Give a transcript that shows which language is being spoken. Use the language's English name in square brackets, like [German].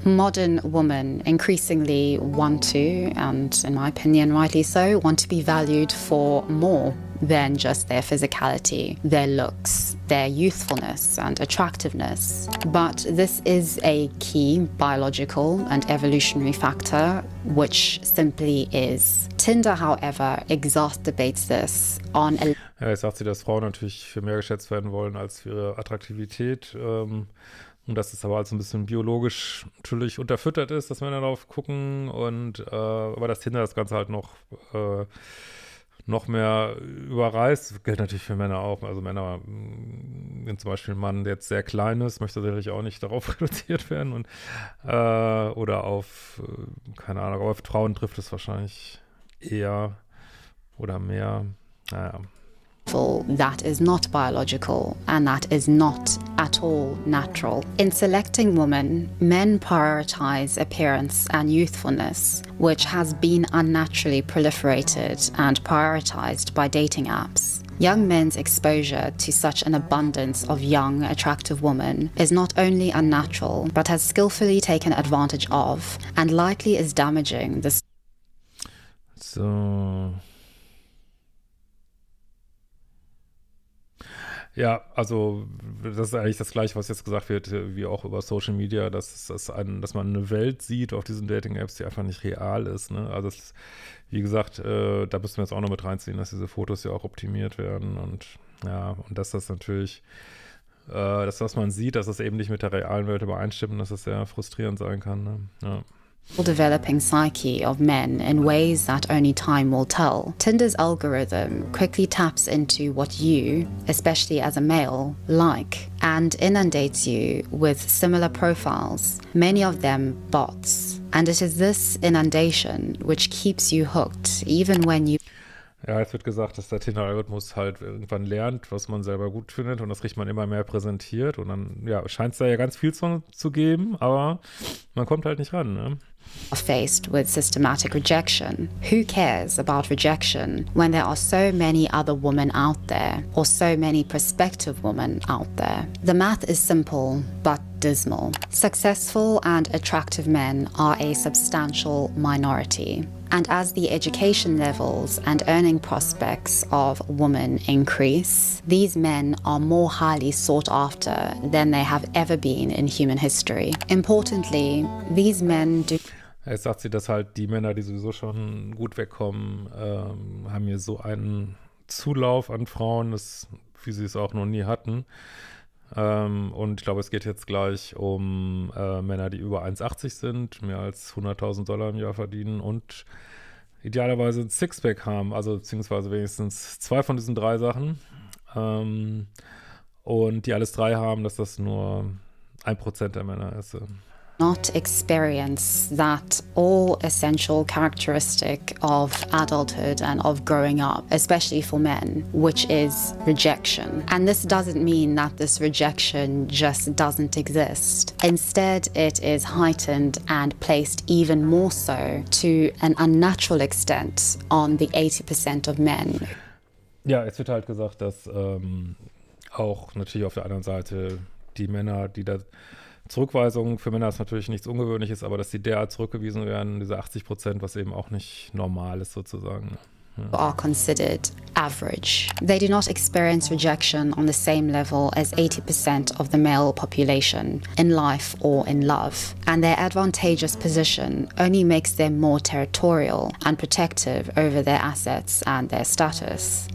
[English] Modern women increasingly want to, and in my opinion, rightly so, want to be valued for more than just their physicality, their looks, their youthfulness and attractiveness. But this is a key biological and evolutionary factor, which simply is. Tinder, however, exacerbates this on a [German] Ja, jetzt sagt sie, dass Frauen natürlich für mehr geschätzt werden wollen als für ihre Attraktivität. Und dass es aber also ein bisschen biologisch natürlich unterfüttert ist, dass Männer darauf gucken. Aber dass Tinder das Ganze halt noch mehr überreißt, gilt natürlich für Männer auch. Also Männer, wenn zum Beispiel ein Mann, der jetzt sehr klein ist, möchte natürlich auch nicht darauf reduziert werden. Oder auf, keine Ahnung, auf Frauen trifft es wahrscheinlich eher oder mehr. Naja. [English] That is not biological and that is not at all natural. In selecting women, men prioritize appearance and youthfulness, which has been unnaturally proliferated and prioritized by dating apps. Young men's exposure to such an abundance of young, attractive women is not only unnatural, but has skillfully taken advantage of and likely is damaging the. So. [German] Ja, also das ist eigentlich das Gleiche, was jetzt gesagt wird, wie auch über Social Media, dass man eine Welt sieht auf diesen Dating-Apps, die einfach nicht real ist, ne? Also das, wie gesagt, da müssen wir jetzt auch noch mit reinziehen, dass diese Fotos ja auch optimiert werden und ja, und dass das natürlich, das, was man sieht, dass das eben nicht mit der realen Welt übereinstimmt und dass das sehr frustrierend sein kann, ne? Ja. [English] Developing psyche of men in ways that only time will tell. Tinder's algorithm quickly taps into what you, especially as a male, like, and inundates you with similar profiles, many of them bots. And it is this inundation which keeps you hooked, even when you. [German] Ja, es wird gesagt, dass der Tinder-Algorithmus halt irgendwann lernt, was man selber gut findet, und das kriegt man immer mehr präsentiert. Und dann, ja, scheint es da ja ganz viel zu geben, aber man kommt halt nicht ran, ne? [English] Are faced with systematic rejection. Who cares about rejection when there are so many other women out there, or so many prospective women out there? The math is simple but dismal. Successful and attractive men are a substantial minority. And as the education levels and earning prospects of women increase, these men are more highly sought after than they have ever been in human history. Importantly, these men do. [German] Jetzt sagt sie, dass halt die Männer, die sowieso schon gut wegkommen, haben hier so einen Zulauf an Frauen, wie sie es auch noch nie hatten. Und ich glaube, es geht jetzt gleich um Männer, die über 1,80 sind, mehr als 100.000 Dollar im Jahr verdienen und idealerweise ein Sixpack haben, also beziehungsweise wenigstens zwei von diesen drei Sachen. Und die alles drei haben, dass das nur 1% der Männer ist. [English] Not experience that all essential characteristic of adulthood and of growing up, especially for men, which is rejection. And this doesn't mean that this rejection just doesn't exist. Instead, it is heightened and placed even more so to an unnatural extent on the 80% of men. [German] Ja, es wird halt gesagt, dass auch natürlich auf der anderen Seite die Männer, die da Zurückweisung für Männer ist natürlich nichts Ungewöhnliches, aber dass sie derart zurückgewiesen werden, diese 80%, was eben auch nicht normal ist sozusagen. [English] Are considered average. They do not experience rejection on the same level as 80% of the male population in life or in love. And their advantageous position only makes them more territorial and protective over their assets and their status.